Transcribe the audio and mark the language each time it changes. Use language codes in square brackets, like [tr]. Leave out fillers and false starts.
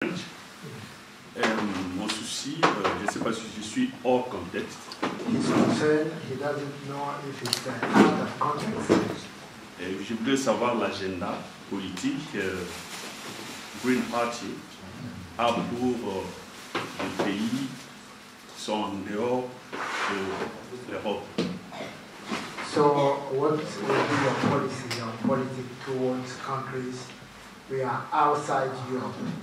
[fr] Mon souci, je ne sais pas si je suis hors contexte. [en] His concern, he doesn't know if he's out of context. [fr] Je voudrais savoir l'agenda politique Green Party a pour les pays qui sont en dehors de l'Europe. [en] So, what will be your policy or politics towards countries we are outside Europe?